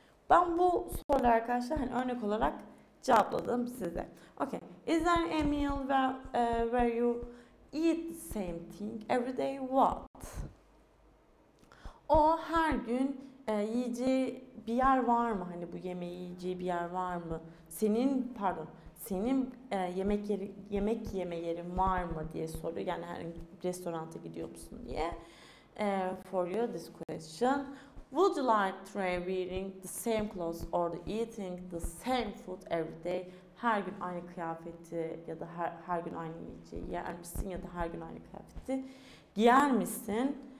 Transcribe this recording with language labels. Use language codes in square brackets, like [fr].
[tr] Ben bu soruyu arkadaşlar hani örnek olarak cevapladım size. [en] Okay, is there a meal where you eat the same thing every day? What? [tr] O her gün yiyeceği bir yer var mı? Hani bu yemeği yiyeceği bir yer var mı? Senin yemek yeme yerin var mı diye soruyor. Yani her restoranta gidiyor musun diye. [en] For you this question. Would you like to wearing the same clothes or eating the same food every day? [tr] Her gün aynı kıyafeti ya da her gün aynı yiyeceği yer misin ya da her gün aynı kıyafeti giyer misin?